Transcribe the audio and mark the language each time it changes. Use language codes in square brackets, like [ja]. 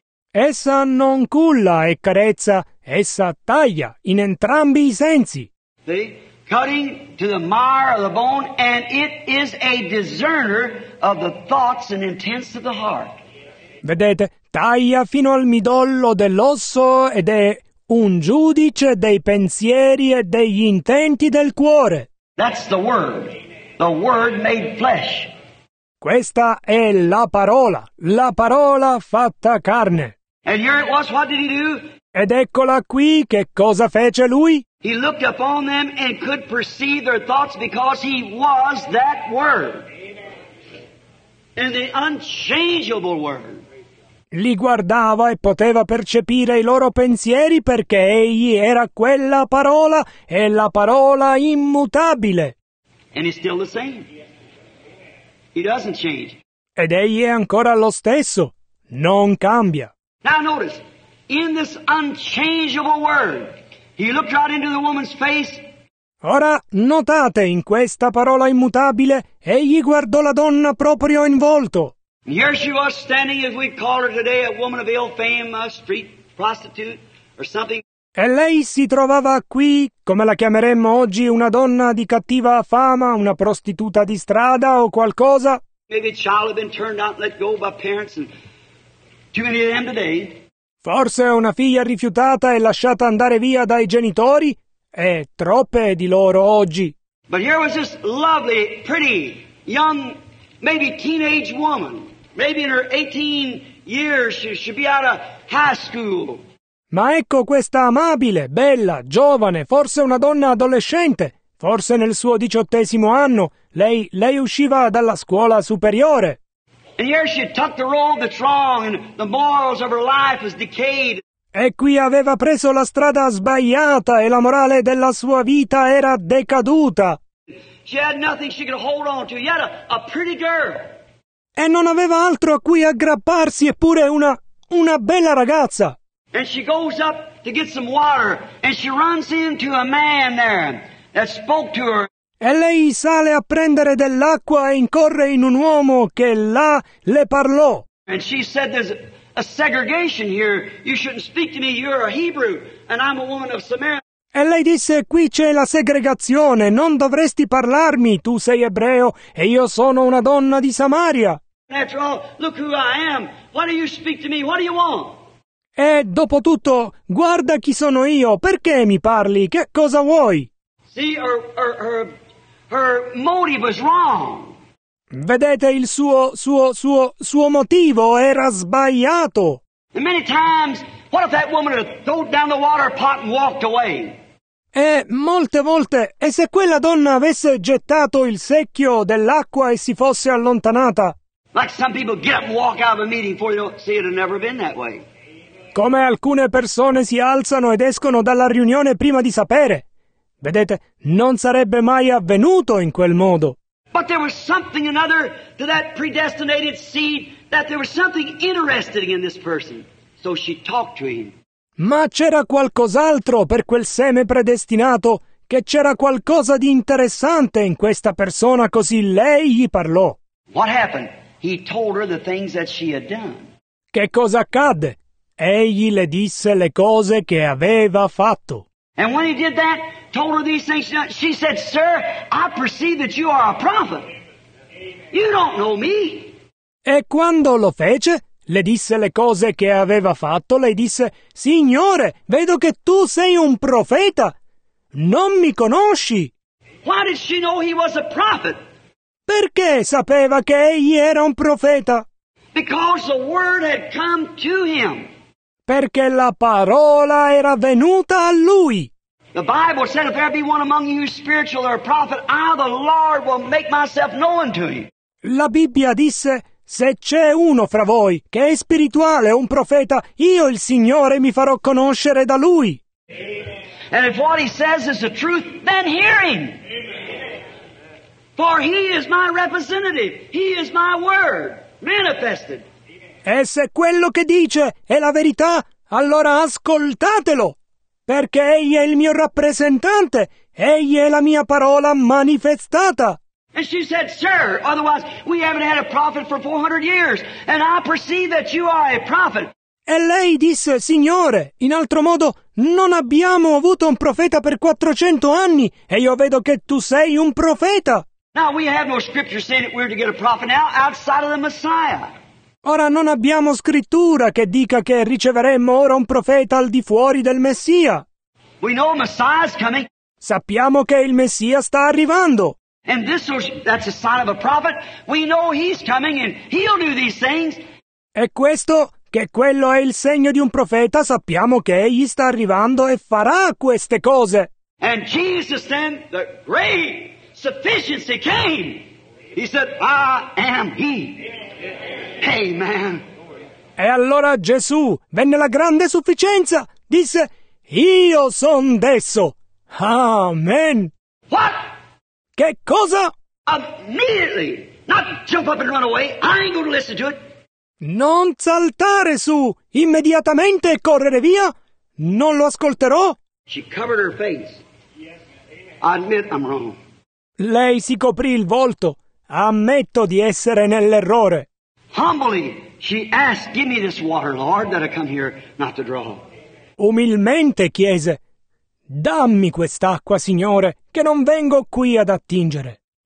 [it] Essa non culla e carezza, essa taglia in entrambi i sensi. [en] See? Cutting to the mire of the bone, and it is a discerner of the thoughts and intents of the heart. [it] Vedete, taglia fino al midollo dell'osso ed è un giudice dei pensieri e degli intenti del cuore. [en] That's the word made flesh. [it] Questa è la parola fatta carne. [en] And here it was, what did he do? [it] Ed eccola qui, che cosa fece lui? [en] He looked upon them and could perceive their thoughts because he was that word. And the unchangeable word. [it] Li guardava e poteva percepire i loro pensieri perché egli era quella parola e la parola immutabile. [en] And he's still the same. He doesn't change. [it] Ed egli è ancora lo stesso. Non cambia. [en] Now notice, in this unchangeable word, he looked right into the woman's face. [it] Ora notate, in questa parola immutabile, egli guardò la donna proprio in volto. [en] Here she was standing, as we call her today, a woman of ill fame, a street prostitute or something. [it] E lei si trovava qui, come la chiameremmo oggi, una donna di cattiva fama, una prostituta di strada o qualcosa. [en] Maybe a child had been turned out and let go by parents, and too many of them today. [it] Forse una figlia rifiutata e lasciata andare via dai genitori, e troppe di loro oggi. [en] But here was this lovely, pretty, young, maybe teenage woman. Maybe in her 18 years she should be out of high school. [it] Ma ecco questa amabile, bella, giovane, forse una donna adolescente, forse nel suo 18° anno, lei usciva dalla scuola superiore. [en] And here she tucked the road that's wrong, and the morals of her life was decayed. [it] E qui aveva preso la strada sbagliata e la morale della sua vita era decaduta. [en] She had nothing she could hold on to, yet a pretty girl. [it] E non aveva altro a cui aggrapparsi, eppure una bella ragazza. [en] And she goes up to get some water, and she runs into a man there that spoke to her. [it] E lei sale a prendere dell'acqua e incorre in un uomo che là le parlò. [en] And she said, there's a segregation here. You shouldn't speak to me. You're a Hebrew, and I'm a woman of Samaria. [it] E lei disse, qui c'è la segregazione. Non dovresti parlarmi. Tu sei ebreo e io sono una donna di Samaria. [en] After all, look who I am. Why do you speak to me? What do you want? [it] E dopo tutto, guarda chi sono io. Perché mi parli? Che cosa vuoi? [en] See, her motive was wrong. [it] Vedete, il suo motivo era sbagliato. [en] And many times, what if that woman had thrown down the water pot and walked away? [it] E molte volte, e se quella donna avesse gettato il secchio dell'acqua e si fosse allontanata? [en] Like some people get up and walk out of a meeting before they don't see it had never been that way. [it] Come alcune persone si alzano ed escono dalla riunione prima di sapere. Vedete, non sarebbe mai avvenuto in quel modo. [en] But there was something another to that predestinated seed, that there was something interesting in this person. So she talked to him. [it] Ma c'era qualcos'altro per quel seme predestinato, che c'era qualcosa di interessante in questa persona, così lei gli parlò. [en] What happened? He told her the things that she had done. [it] Che cosa accadde? Egli le disse le cose che aveva fatto. [en] And when he did that, told her these things, she said, "Sir, I perceive that you are a prophet. You don't know me." [it] E quando lo fece, le disse le cose che aveva fatto, lei disse, "Signore, vedo che tu sei un profeta. Non mi conosci." [en] Why did she know he was a prophet? [it] Perché sapeva che egli era un profeta? [en] Because the word had come to him. [it] Perché la parola era venuta a lui. [en] The Bible said, if there be one among you spiritual or a prophet, I, the Lord, will make myself known to you. [it] La Bibbia disse, se c'è uno fra voi che è spirituale o un profeta, io, il Signore, mi farò conoscere da lui. [en] And if what he says is the truth, then hear him. For he is my representative, he is my word, manifested. [it] E se quello che dice è la verità, allora ascoltatelo, perché egli è il mio rappresentante, egli è la mia parola manifestata. [en] And she said, sir, otherwise we haven't had a prophet for 400 years, and I perceive that you are a prophet. [it] E lei disse, signore, in altro modo non abbiamo avuto un profeta per 400 anni, e io vedo che tu sei un profeta. [en] Now we have no scripture saying that we're to get a prophet now outside of the Messiah. [it] Ora non abbiamo scrittura che dica che riceveremmo ora un profeta al di fuori del Messia. [en] We know Messiah's coming. [it] Sappiamo che il Messia sta arrivando. [en] And this was, that's a sign of a prophet. We know he's coming and he'll do these things. [it] E questo, che quello è il segno di un profeta, sappiamo che egli sta arrivando e farà queste cose. [en] And Jesus then, the great sufficiency came. He said, I am he. Amen. [it] E allora Gesù, venne la grande sufficienza, disse, io son d'esso. Amen. [en] What? [it] Che cosa? [en] Immediately, not jump up and run away. I ain't gonna listen to it. [it] Non saltare su, immediatamente correre via. Non lo ascolterò. [en] She covered her face. Yes, amen. I admit I'm wrong. [it] Lei si coprì il volto. Ammetto di essere nell'errore. [en] Humbly, she asked, give me this water, Lord, that I come here not to draw. [it] Umilmente chiese, dammi quest'acqua, Signore, che non vengo qui ad attingere.